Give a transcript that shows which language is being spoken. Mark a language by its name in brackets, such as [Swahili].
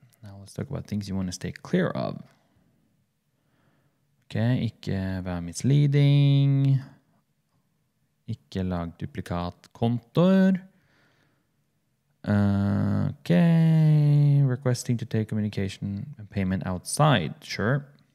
[English] Now let's talk about things you want to stay clear of. [Norwegian] Okay, ikke være misleading, ikke lag duplikat kontor. [English] Okay, requesting to take communication and payment outside, sure.